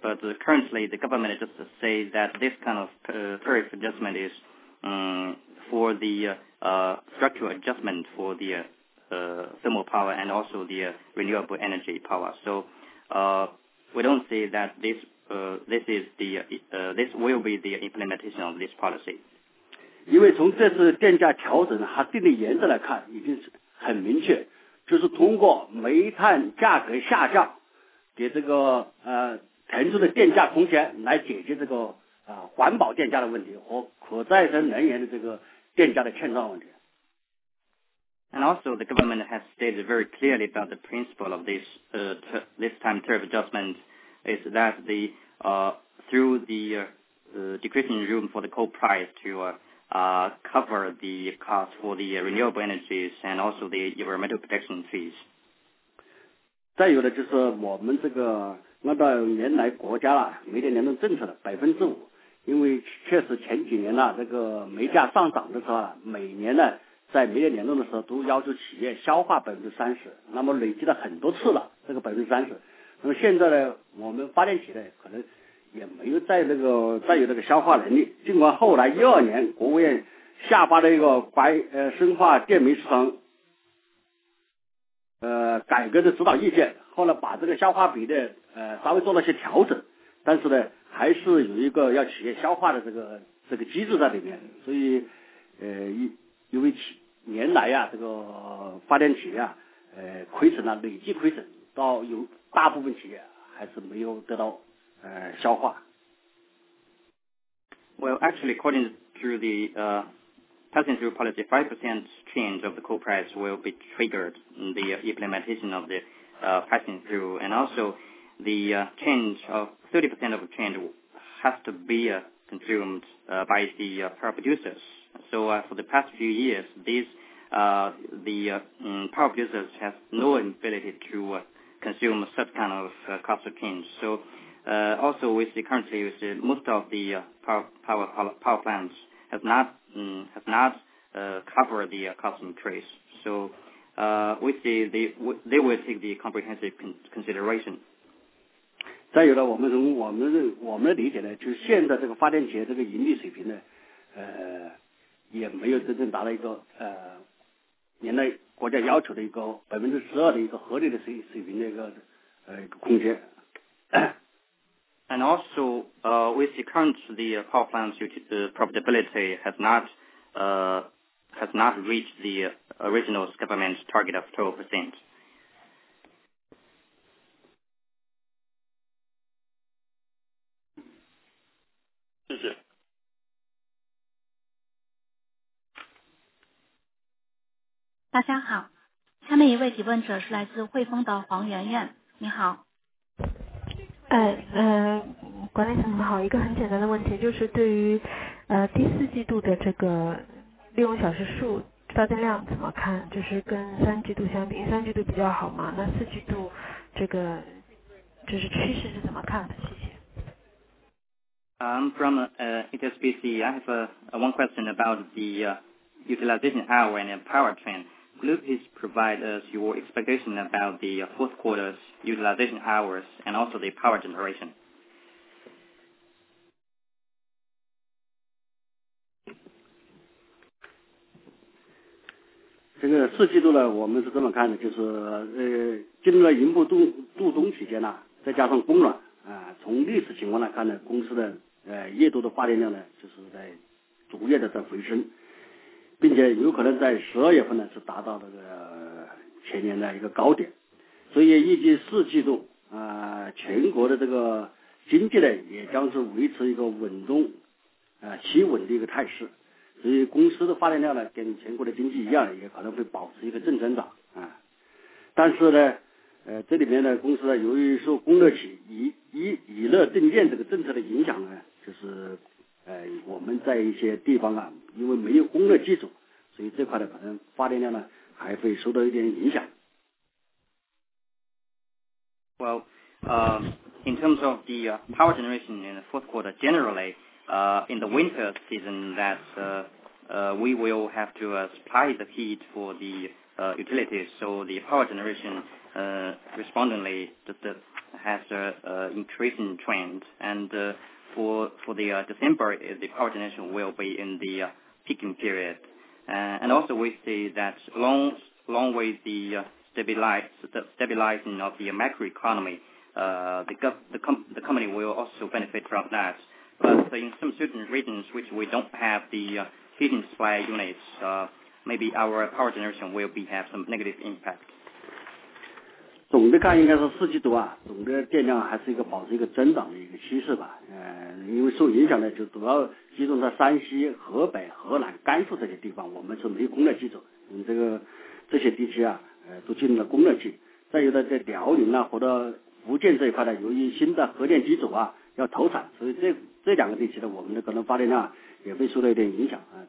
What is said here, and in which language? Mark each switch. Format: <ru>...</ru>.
<en>But currently, the government just says that this kind of tariff adjustment is for the structural adjustment for the thermal power and also the renewable energy power. So we don't see that this will be the implementation of this policy.</en> <zh>因为从这次电价调整它定的原则来看，已经是很明确，就是通过煤炭价格下降，给这个腾出的电价空间来解决这个环保电价的问题和可再生能源的这个电价的欠账问题。</zh> <en>And also, the government has stated very clearly about the principle of this this time tariff adjustment. Is that the through the decreasing room for the coal price to cover the cost for the renewable energies and also the environmental protection fees?</en> <zh>再有呢，就是我们这个按照原来国家啦煤电联动政策的5%，因为确实前几年呢，这个煤价上涨的时候，每年呢在煤电联动的时候都要求企业消化30%，那么累积了很多次了这个30%。那么现在呢，我们发电企业可能也没有再有这个消化能力。尽管后来12年国务院下发了一个深化电煤市场改革的指导意见，后来把这个消化比的稍微做了些调整，但是呢，还是有一个要企业消化的这个机制在里面。所以因为年来呀，这个发电企业亏损了，累计亏损到有。大部分企业还是没有得到消化。</zh> <en>Well, actually, according to the passing through policy, 5% change of the coal price will be triggered in the implementation of the passing through, and also the change of 30% of change has to be consumed by the power producers. So for the past few years, the power producers have no ability to consume such kind of cost of change. So also we see currently we see most of the power plants have not covered the cost increase. So we see they will take the comprehensive consideration.</en> <zh>再有呢，我们理解呢，就是现在这个发电企业这个盈利水平呢，也没有真正达到一个年内国家要求的一个12%的一个合理的水平的一个空间。</zh> <en>And also, with the current the power plant's profitability has not reached the original government's target of 12%.</en> <zh>谢谢。大家好，下面一位提问者是来自汇丰的黄媛媛，你好。管理层你好，一个很简单的问题，就是对于第四季度的这个利用小时数发电量怎么看？就是跟三季度相比，三季度比较好嘛，那四季度这个就是趋势是怎么看的？谢谢。</zh> <en>I'm from HSBC. I have one question about the utilization hour and power trend. Could you please provide us your expectation about the fourth quarter's utilization hours and also the power generation? This fourth quarter, we are looking at this, is during the winter season, combined with the warmth, from the historical situation, the company's year-to-year power generation is gradually increasing.</en> <zh>并且有可能在12月份呢是达到这个前年的一个高点，所以预计四季度全国的这个经济呢也将是维持一个稳中企稳的一个态势，所以公司的发电量呢跟全国的经济一样也可能会保持一个正增长但是呢这里面呢，公司呢，由于受供热企以热定电这个政策的影响呢，就是我们在一些地方啊，因为没有供热机组，所以这块的可能发电量呢还会受到一点影响。</zh> <en>Well, in terms of the power generation in the fourth quarter, generally, in the winter season, that we will have to supply the heat for the utilities, so the power generation respondently has an increasing trend. And for the December, the power generation will be in the peaking period. And also we see that along with the stabilizing of the macroeconomy, the company will also benefit from that. But in some certain regions which we don't have the heating supply units, maybe our power generation will have some negative impact.</en> <zh>总的看应该是四季度啊，总的电量还是一个保持一个增长的一个趋势吧。因为受影响呢，就主要集中在山西、河北、河南、甘肃这些地方，我们是没供热机组。这些地区啊，都进入了供热期。再有的在辽宁啊或者福建这一块呢，由于新的核电机组啊要投产，所以这两个地区呢，我们的可能发电量也会受到一点影响啊。</zh>